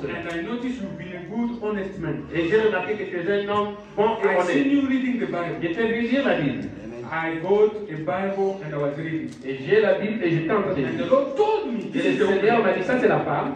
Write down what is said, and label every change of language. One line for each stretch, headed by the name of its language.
English: And I noticed you've been a good, honest man.
French: Et j'ai remarqué que tu es un homme bon et honnête.
English: I seen you reading the Bible.
French: J'étais venu lire la Bible.
English: I bought a Bible and I was reading.
French: Et j'ai la Bible et j'étais en train de lire.
English: And the Lord told me.
French: Et le Seigneur m'a dit ça c'est la parole.